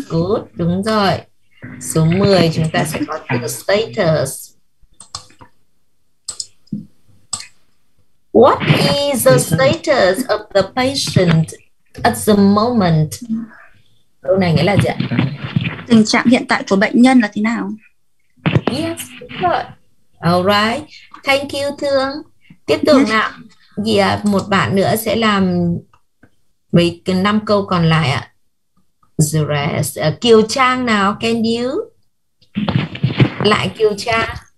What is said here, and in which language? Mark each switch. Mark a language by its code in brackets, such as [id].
[en] Good, [vi] đúng rồi. Số 10 chúng ta sẽ có từ status. [en] What is the status of the patient at the moment? [vi] Câu này nghĩa là gì ạ? Tình trạng hiện tại của bệnh nhân là thế nào? [en] Yes, good. All right. Thank you, Thương. [vi] Tiếp tục nào. Dì ạ, một bạn nữa sẽ làm mấy cái 5 câu còn lại ạ. [en] The rest. Kiều Trang nào, can you? Lại Kiều Trang.